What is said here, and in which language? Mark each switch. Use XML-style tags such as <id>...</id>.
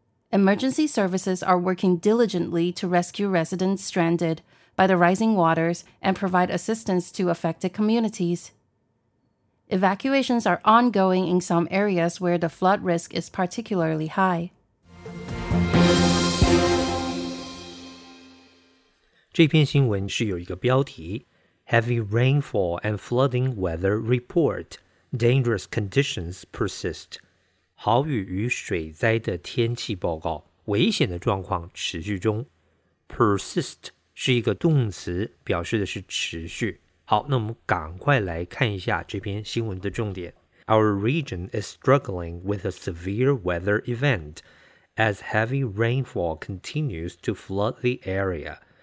<en>Emergency services are working diligently to rescue residents stranded by the rising waters and provide assistance to affected communities. Evacuations are ongoing in some areas where the flood risk is particularly high.</en> <zh>这篇新闻是有一个标题。</zh> <en>Heavy rainfall and flooding weather report. Dangerous conditions persist.</en> <zh>豪雨与水灾的天气报告，危险的状况持续中。 Persist 是一个动词，表示的是持续。好，那我们赶快来看一下这篇新闻的重点。</zh> <en>Our region is struggling with a severe weather event as heavy rainfall continues to flood the area.</en>